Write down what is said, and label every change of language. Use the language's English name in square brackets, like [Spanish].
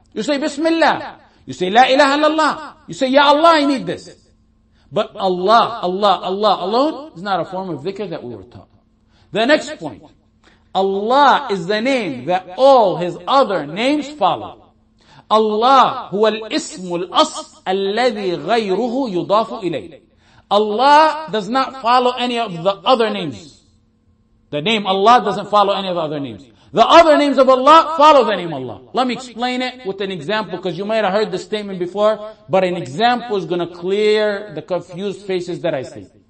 [English] You say Bismillah. You say La ilaha illallah. You say Ya Allah, I need this. But Allah, Allah, Allah alone is not a form of dhikr that we were taught. The next point. Allah is the name that all His other names follow. [Arabic] Allah هو الاسم الأصل الذي غيره يضاف إليه. [English] Allah does not follow any of the other names. The name Allah doesn't follow any of the other names. The other names of Allah follow the name Allah. Let me explain it with an example because you might have heard the statement before, but an example is going to clear the confused faces that I see.